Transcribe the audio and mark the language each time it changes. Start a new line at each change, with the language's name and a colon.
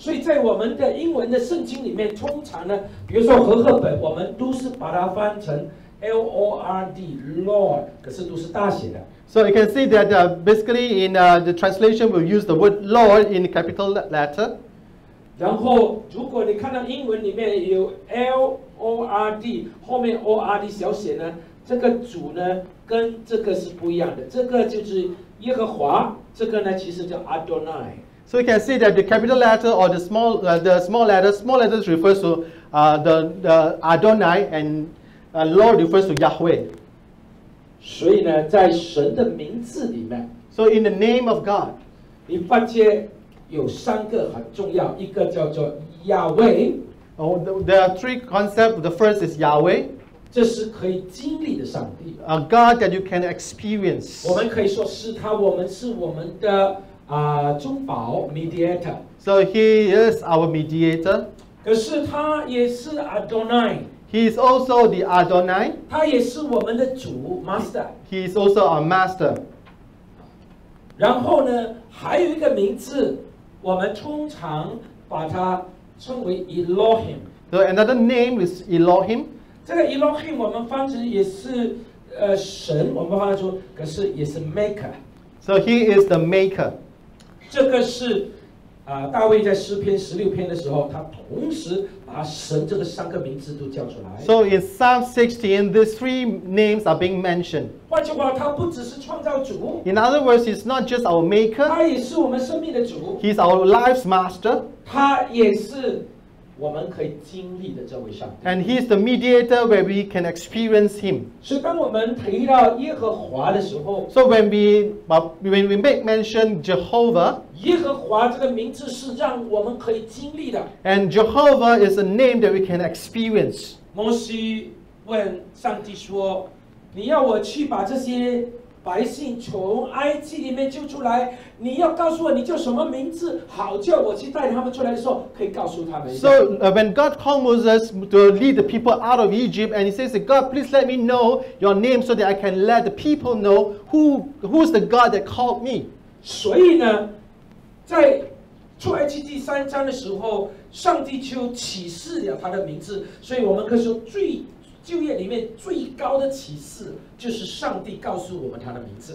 Chinese: 所以在我们的英文的圣经里面，通常呢，比如说和合本，我们都是把它翻成 Lord, Lord， 可是都是大写的。
English: So you can see that basically in the translation, we'll use the word Lord in capital letter.
Chinese: 然后如果你看到英文里面有 Lord， 后面 Ord 小写呢？这个主呢跟这个是不一样的，这个就是耶和华，这个呢其实叫 Adonai。
English: So you can see that the capital letter or the small letters refers to the Adonai and Lord refers to Yahweh。
Chinese: 所以呢，在神的名字里面
English: ，So in the name of God，
Chinese: 你发现有三个很重要，一个叫做 Yahweh。
English: Oh, there are three concepts. The first is Yahweh。
Chinese: 这是可以经历的上帝
English: ，a God that you can experience。
Chinese: 我们可以说是他，我们是我们的中保 mediator。
English: So he is our mediator。
Chinese: 可是他也是 Adonai。
English: He is also the Adonai。
Chinese: 他也是我们的主 master。
English: He is also our master。
Chinese: 然后呢，还有一个名字，我们通常把它称为 Elohim。
English: So another name is Elohim。
Chinese: 这个 Elohim 我们翻译也是神，我们翻译出，可是也是 Maker。
English: So he is the Maker。
Chinese: 这个是大卫在诗篇十六篇的时候，他同时把神这个三个名字都叫出来。
English: So in Psalm 16, these three names are being mentioned。
Chinese: 换句话，他不只是创造主。
English: In other words, he's not just our Maker。
Chinese: 他也是我们生命的主。
English: He's our life's master。
Chinese: 他也是。我们可以经历的这位上帝
English: ，and he is the mediator where we can experience him。
Chinese: 所以，当我们提到耶和华的时候
English: ，so when we make mention Jehovah，
Chinese: 耶和华这个名字是让我们可以经历的
English: ，and Jehovah is a name that we can experience。
Chinese: 摩西问上帝说：“你要我去把这些百姓从埃及里面救出来，你要告诉我你叫什么名字，好叫我去带他们出来的时候可以告诉他们。
English: So when God called Moses to lead the people out of Egypt, and he says, "God, please let me know your name so that I can let the people know who's the God that called me."
Chinese: 所以呢，在出埃及第三章的时候，上帝就启示了他的名字。所以我们可以说最。旧约里面最高的启示就是上帝告诉我们他的名字。